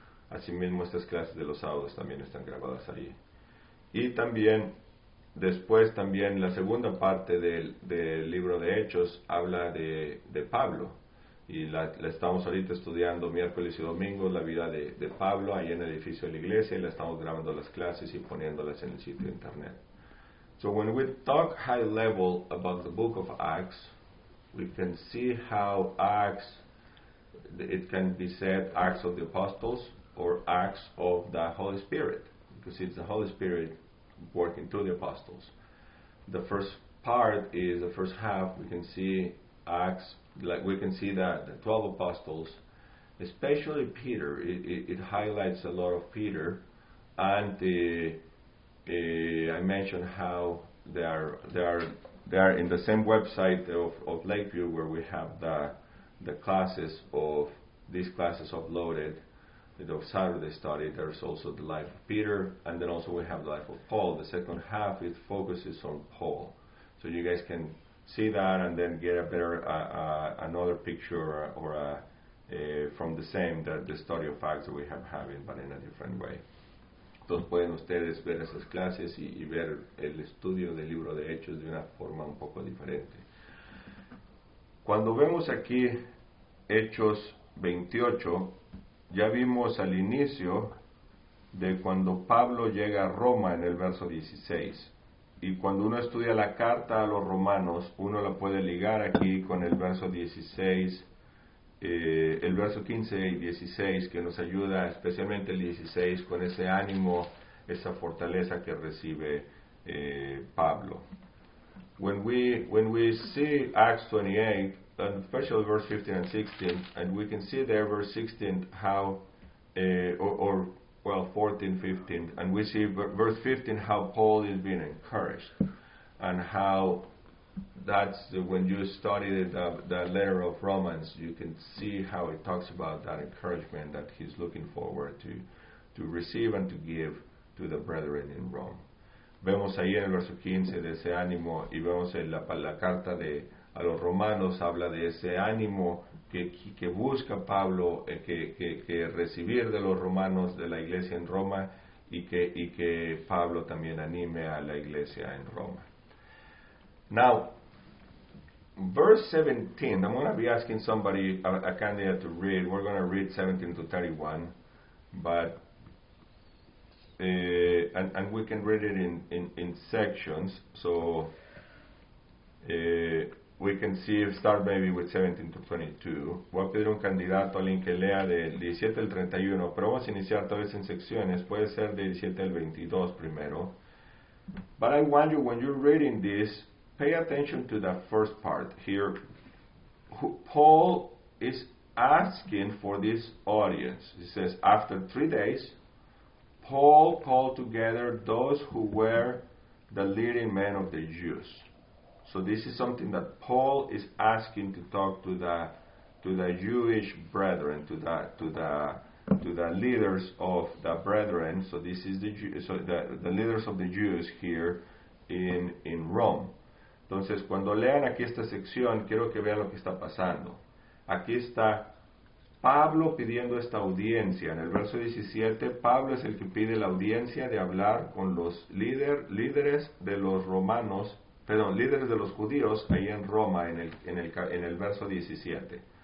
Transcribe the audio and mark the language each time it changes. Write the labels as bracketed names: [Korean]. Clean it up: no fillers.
[Spanish] Asimismo, estas clases de los sábados también están grabadas ahí. Y también, después también, la segunda parte del libro de Hechos habla de Pablo. Y la estamos ahorita estudiando miércoles y domingos, la vida de Pablo, ahí en el edificio de la iglesia. Y la estamos grabando las clases y poniéndolas en el sitio de internet. [English] So when we talk high level about the book of Acts, we can see how Acts, it can be said Acts of the Apostles or Acts of the Holy Spirit, because it's the Holy Spirit working through the Apostles. The first part is the first half. We can see Acts, like we can see that the 12 Apostles, especially Peter, it highlights a lot of Peter, and I mentioned how they are in the same website of Lakeview, where we have the classes of these classes uploaded, of Saturday study. There's also the life of Peter, and then also we have the life of Paul. The second half, it focuses on Paul, so you guys can see that and then get a better another picture from the same the study of Acts that we have having, but in a different way. [Spanish] Entonces pueden ustedes ver esas clases y ver el estudio del libro de Hechos de una forma un poco diferente. Cuando vemos aquí Hechos 28, ya vimos al inicio de cuando Pablo llega a Roma en el verso 16. Y cuando uno estudia la carta a los romanos, uno la puede ligar aquí con el verso 16, el verso 15 y 16, que nos ayuda, especialmente el 16, con ese ánimo, esa fortaleza que recibe Pablo. [English] When we see Acts 28, and especially verse 15 and 16, and we can see there verse 16 how, or 14, 15, and we see verse 15 how Paul is being encouraged, and how that's when you study the letter of Romans, you can see how it talks about that encouragement that he's looking forward to receive and to give to the brethren in Rome. [Spanish] Vemos ahí en el verso 15 de ese ánimo, y vemos en la carta de a los romanos, habla de ese ánimo que busca Pablo que recibir de los romanos, de la iglesia en Roma, y que Pablo también anime a la iglesia en Roma. Now, [English] Verse 17, I'm going to be asking somebody, a candidate to read. We're going to read 17 to 31, but and we can read it in sections, so we can see if start maybe with 17 to 22. [Spanish] Voy a pedir un candidato, alguien que lea del 17 al 31, pero vamos a iniciar tal vez en secciones, puede ser del 17 al 22 primero. [English] But I want you, when you're reading this, pay attention to the first part here. Paul is asking for this audience. He says, after 3 days, Paul called together those who were the leading men of the Jews. So this is something that Paul is asking to talk to the Jewish brethren, to the leaders of the brethren. So this is the leaders of the Jews here in Rome. [Spanish] Entonces, cuando lean aquí esta sección, quiero que vean lo que está pasando. Aquí está Pablo pidiendo esta audiencia. En el verso 17, Pablo es el que pide la audiencia de hablar con los líderes de los romanos, perdón, líderes de los judíos ahí en Roma, en el verso 17.